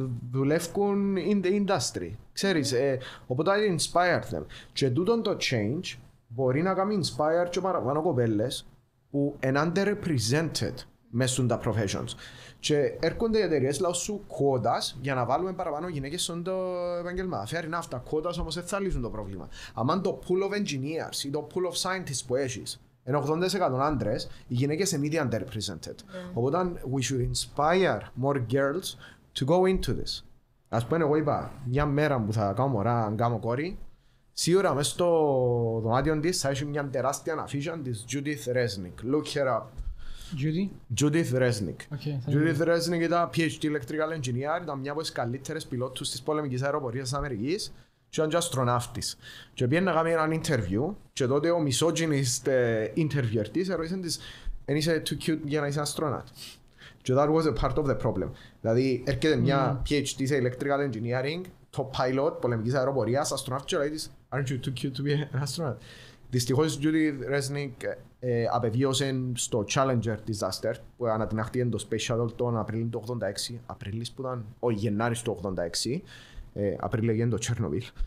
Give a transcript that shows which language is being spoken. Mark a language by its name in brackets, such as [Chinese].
[Greek] Δουλεύουν [English] in the industry, [Greek] ξέρεις, οπότε [English] I inspire them. [Greek] Και τούτον το change μπορεί να κάνει inspire και παραπάνω κοπέλες που είναι underrepresented μέσα στα professions. Και έρχονται οι εταιρείες λόγω σου quotas για να βάλουμε παραπάνω γυναίκες στον το επαγγελμά. Φέρει να αυτά quotas όμως δεν θα λύσουν το πρόβλημα. Αμάν το [English] pool of engineers [Greek] ή το [English] pool of scientists [Greek] που έχεις είναι 80% άντρες, οι γυναίκες είναι ήδη underrepresented. [English] Yeah. Οπότε, we should inspire more girls to go into this. [Greek] Ας πούμε, εγώ είπα, μια μέρα που θα κάνω μωρά, αν κάνω κόρη, σίγουρα μέσα στο δωμάτιο της θα έχει μια τεράστια αφίσα της Judith Resnick. [English] Look her up. Judith Resnick. Okay, [Greek] Judith Resnick ήταν PhD electrical engineer, ήταν μια από τις καλύτερες πιλότους της πολεμικής αεροπορίας της Αμερικής. Και ήταν και αστροναύτης. Και πήγαινε να κάνει έναν interview και τότε ο misogynist interviewer της ερώτησε της «Εν είσαι [English] too cute [Greek] για να είσαι αστροναύτη». Και [English] that was a part of the problem. [Greek] Δηλαδή έρχεται μια PhD σε electrical engineering, top pilot, πολεμικής αεροπορίας, αστροναύτης και λέει της [English] «Aren't you too cute to be an astronaut?». [Greek] Δυστυχώς Judy Resnick απεβίωσε στο Challenger disaster που ανατινάχθηκε το Space Shuttle τον Απρίλιο του 86, Απρίλης που ήταν, ο Γενάρης του 86, Απρίλη έγινε το Τσέρνομπιλ.